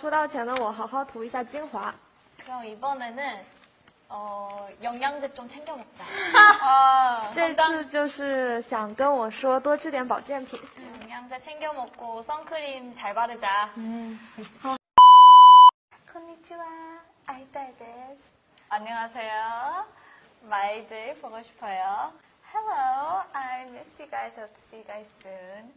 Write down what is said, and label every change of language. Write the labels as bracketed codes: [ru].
[zh] 上次有这个提问，我有回答过，想让出道前的我好好涂一下精华。 [ko] 그럼 이번에는 영양제 좀 챙겨 먹자. [zh] 这次就是想跟我说多吃点保健品。 [ko] 영양제 챙겨 먹고 선크림 잘 바르자. 안녕하세요. [ja] 아이다이데스. [ko] 안녕하세요. 마이들 보고 싶어요. [en] Hello, I miss you guys. I'll see you guys soon.